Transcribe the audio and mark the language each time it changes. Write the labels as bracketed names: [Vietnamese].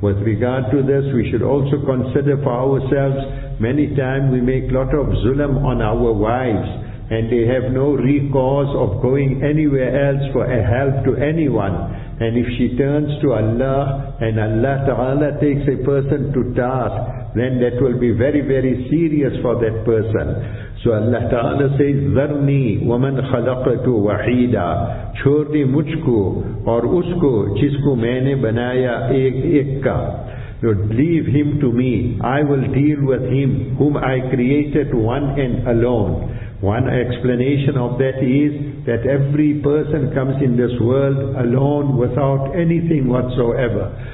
[English] With regard to this, we should also consider for ourselves, many times we make lot of zulm on our wives, and they have no recourse of going anywhere else for a help to anyone. And if she turns to Allah, and Allah Ta'ala takes a person to task, then that will be very, very serious for that person. So Allah Ta'ala says, [Arabic] ذَرْنِي وَمَنْ خَلَقَتُ وَحِيدًا. [Urdu] چھوڑ دی مجھ کو اور اس کو جس کو میں نے بنایا ایک کا. [English] Leave him to me. I will deal with him whom I created one and alone. One explanation of that is that every person comes in this world alone without anything whatsoever.